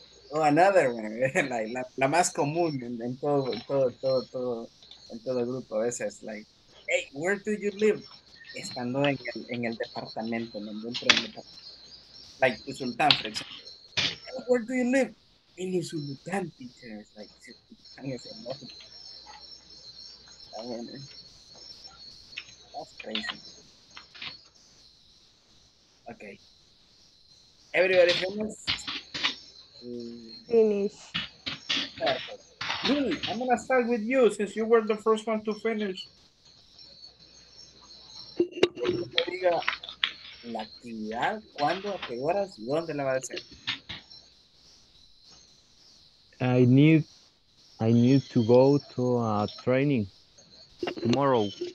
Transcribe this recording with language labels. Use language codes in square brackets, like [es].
[en] Oh, another one, like [es] la más común en todo el grupo. A veces, [en] like, hey, where do you live? [es] Estando en el departamento, donde entro en el departamento. [en] Like, Usultán, for example. Hey, where do you live? In Usultán, teacher. It's like, Usultán [es] es el nombre. [en] That's crazy. Okay. Everybody, finish. Finish. Perfect. Lily, I'm gonna start with you since you were the first one to finish. [es] La actividad, ¿cuándo, a qué horas, dónde la va a hacer? [en] I need to go to a training tomorrow.